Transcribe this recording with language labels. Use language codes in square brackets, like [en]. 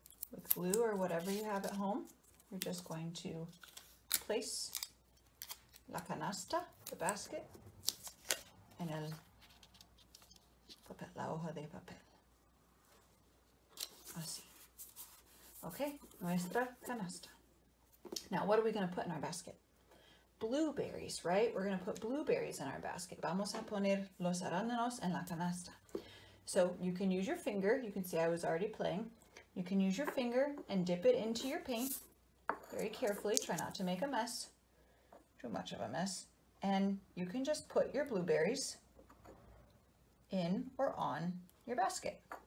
[en] With glue or whatever you have at home, you're just going to place la canasta, the basket, [es] en el papel, la hoja de papel. Así. Okay, nuestra canasta. [en] Now, what are we going to put in our basket? Blueberries, right? We're going to put blueberries in our basket. [es] Vamos a poner los arándanos en la canasta. [en] So you can use your finger. You can see I was already playing. You can use your finger and dip it into your paint very carefully. Try not to make a mess, too much of a mess. And you can just put your blueberries in or on your basket.